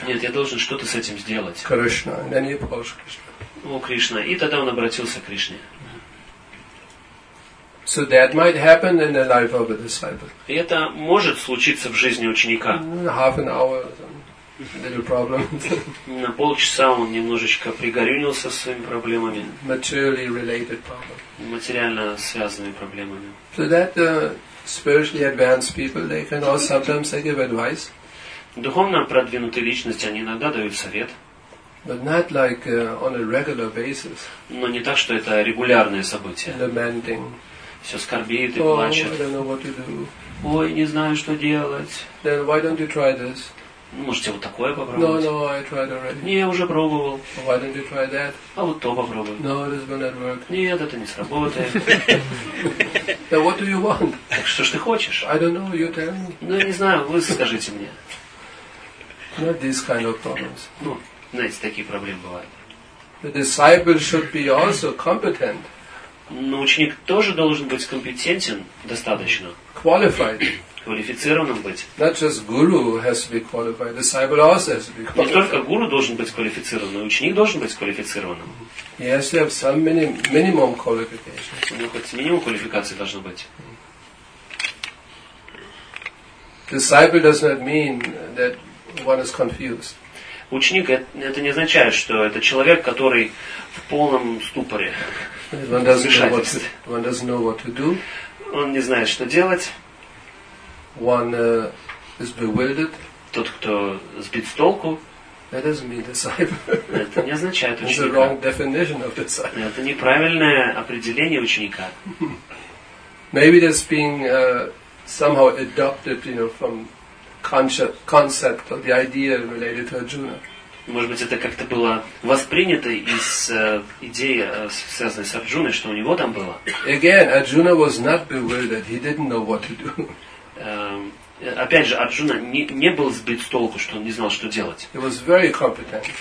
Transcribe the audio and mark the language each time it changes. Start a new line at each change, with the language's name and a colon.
Russian: Нет, я должен что-то с этим сделать.
English: Krishna, and then he approached Krishna.
Russian: О, Кришна, и тогда он обратился к Кришне.
English: So that might happen in the life of a disciple.
Russian: И это может случиться в жизни ученика.
English: Half an hour, little problem.
Russian: На полчаса он немножечко пригорюнился со своими проблемами.
English: Materially related problems.
Russian: Материально связанными проблемами.
English: So that spiritually advanced people, they can also sometimes they give advice.
Russian: Духовно продвинутые личности, они иногда дают совет.
English: But not like, on a regular basis.
Russian: Но не так, что это регулярное событие.
English: Lamenting.
Russian: Все скорбит и oh, плачет.
English: I don't know what to do.
Russian: Ой, не знаю, что делать.
English: Then why don't you try this?
Russian: Ну, можете вот такое попробовать.
English: No, I tried already.
Russian: Не, я уже пробовал.
English: Why don't you try that?
Russian: А вот то попробуй.
English: No, this will not work.
Russian: Нет, это не сработает.
English: Then what do you want?
Russian: Так что ж ты хочешь?
English: I don't know, you tell me.
Russian: Ну, я не знаю, вы скажите мне.
English: Not these kind of problems.
Russian: Ну, знаете, такие проблемы бывают.
English: The disciple should be also competent.
Russian: Но ученик тоже должен быть компетентен достаточно.
English: Qualified.
Russian: Квалифицированным быть.
English: Not just guru has to be qualified. Disciple also has to be qualified.
Russian: Не только гуру должен быть квалифицированным, ученик должен быть квалифицированным.
English: He has to have some minimum qualifications.
Russian: У него хоть минимум квалификации должно быть.
English: Disciple does not mean that one is confused.
Russian: Ученик это не означает, что это человек, который в полном ступоре.
English: One doesn't know what to do.
Russian: Он не знает, что делать.
English: One is bewildered.
Russian: Тот, кто сбит с толку.
English: That doesn't mean disciple.
Russian: Это не означает ученика.
English: It's the wrong definition of disciple.
Russian: Это неправильное определение ученика.
English: Maybe that's being somehow adopted, you know, from concept or the idea related to Arjuna.
Russian: Может быть, это как-то было воспринято из идеи, связанной с Арджуной, что у него там было.
English: Again, Arjuna was not bewildered. He didn't know what to do.
Russian: Опять же, Арджуна не был сбит с толку, что он не знал, что делать.
English: He was very competent.